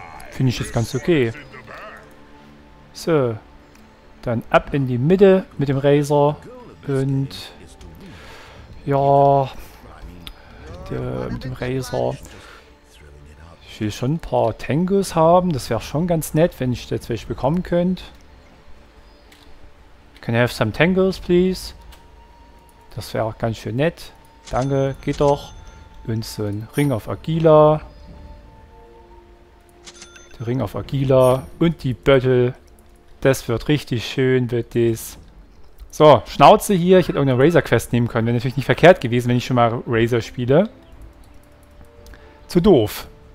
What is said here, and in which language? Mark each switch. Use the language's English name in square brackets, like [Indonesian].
[German] Finde ich jetzt ganz okay. So, dann ab in die Mitte mit dem Razor. Und ja, mit dem Razor. Ich will schon ein paar Tengus haben. Das wäre schon ganz nett, wenn ich jetzt welche bekommen könnte. [English] Can I have some Tengus, please? [German] Das wäre auch ganz schön nett. Danke, geht doch. Und so ein Ring auf Agila. Der Ring auf Agila. Und die Böttel. Das wird richtig schön, wird dies. So, Schnauze hier. Ich hätte irgendeine Razor-Quest nehmen können. Wäre natürlich nicht verkehrt gewesen, wenn ich schon mal Razor spiele. Zu doof.